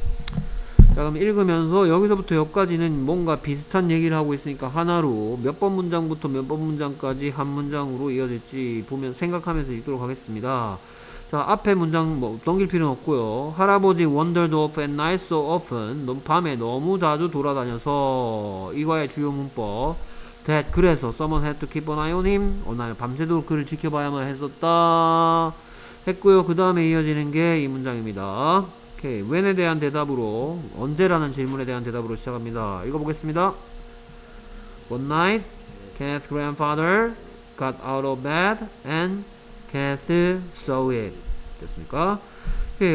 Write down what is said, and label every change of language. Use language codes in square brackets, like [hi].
[ko] 자, 그럼 읽으면서 여기서부터 여기까지는 뭔가 비슷한 얘기를 하고 있으니까 하나로 몇 번 문장부터 몇 번 문장까지 한 문장으로 이어질지 보면 생각하면서 읽도록 하겠습니다. 자, 앞에 문장 뭐 넘길 필요는 없고요. [en] 할아버지 wandered off at night so often. [ko] 밤에 너무 자주 돌아다녀서. 이거의 주요 문법. [en] That [ko] 그래서 [en] someone had to keep an eye on him. [ko] 어느 날 밤새도록 그를 지켜봐야만 했었다. 했고요. 그 다음에 이어지는 게 이 문장입니다. 오케이. When에 대한 대답으로, 언제라는 질문에 대한 대답으로 시작합니다. 읽어보겠습니다. [en] One night, Kenneth's grandfather got out of bed and Kenneth saw it. [ko] 됐습니까? 오케이.